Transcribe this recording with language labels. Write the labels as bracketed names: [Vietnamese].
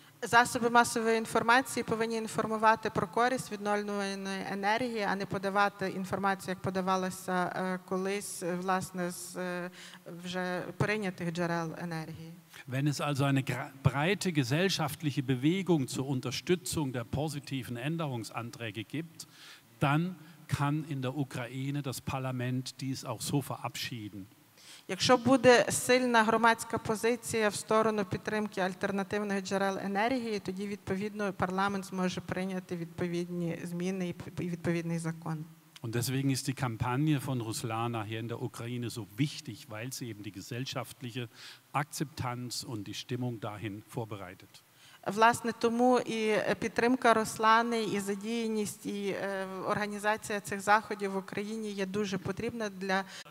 [Ukrainian] засоби масової інформації повинні інформувати про користь відновлюваної енергії, а не подавати інформацію, як подавалося колись, власне, з вже прийнятих джерел енергії. [German] Wenn es also eine breite gesellschaftliche Bewegung zur Unterstützung der positiven Änderungsanträge gibt, dann kann in der Ukraine das Parlament dies auch so verabschieden. [Ukrainian] Якщо буде сильна громадська позиція в сторону підтримки альтернативних джерел енергії, тоді відповідно парламент зможе прийняти відповідні зміни і відповідний закон. [German] Und deswegen ist die Kampagne von Ruslana hier in der Ukraine so wichtig, weil sie eben die gesellschaftliche Akzeptanz und die Stimmung dahin vorbereitet. [Ukrainian] Власне, тому і підтримка Руслани, і задіяність, і організація цих заходів в Україні є дуже потрібна для...